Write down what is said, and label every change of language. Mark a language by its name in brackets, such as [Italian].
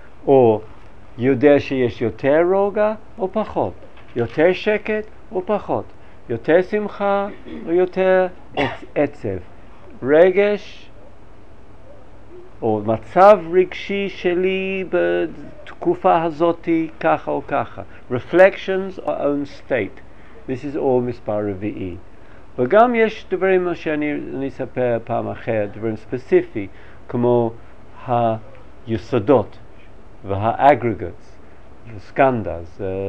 [Hebrew] או יודע שיש יותר רוגע או פחות, יותר שקט או פחות, יותר שמחה או יותר עצב, רגש או מצב רגשי שלי בתקופה הזאת ככה או ככה. [English] Reflections or own state. This is all [Hebrew] מספר רביעי. וגם יש דברים שאני אספר פעם אחרת, דברים ספציפי, כמו היסודות והאגרגטס, הסקנדס,